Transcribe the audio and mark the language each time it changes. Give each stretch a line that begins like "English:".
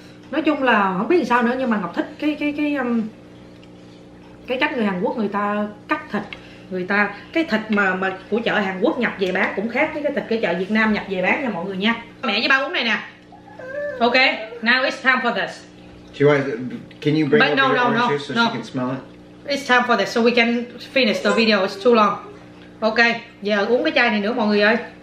Vietnamese: Nói chung là không biết làm sao nữa, nhưng mà Ngọc thích cái cách người Hàn Quốc người ta cắt thịt, người ta cái thịt mà của chợ Hàn Quốc nhập về bán cũng khác cái thịt cái chợ Việt Nam nhập về bán nha mọi người nha. Mẹ với ba uống này nè.
English: Okay, now it's time for this. Can you bring up your orange juice so she can smell it? It's time for this so we can finish the video. It's too long.
Vietnamese: Okay, giờ uống cái chai này nữa mọi người ơi.